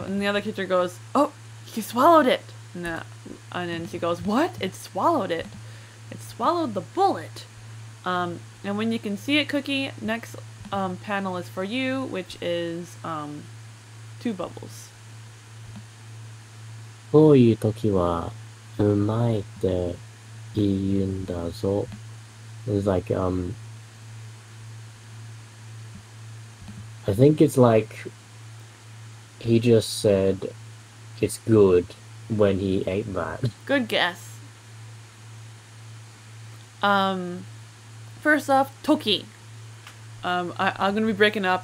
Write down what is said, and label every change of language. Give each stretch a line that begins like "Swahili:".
English: And the other teacher goes, oh, he swallowed it. And then she goes, what? It swallowed it. It swallowed the bullet. And when you can see it, Cookie, next panel is for you, which is two bubbles.
Japanese: こういう時はうまいって言うんだぞ。
English: It's like, I think it's like he just said it's good when he ate that. Good guess. First off, toki. I'm gonna be breaking up.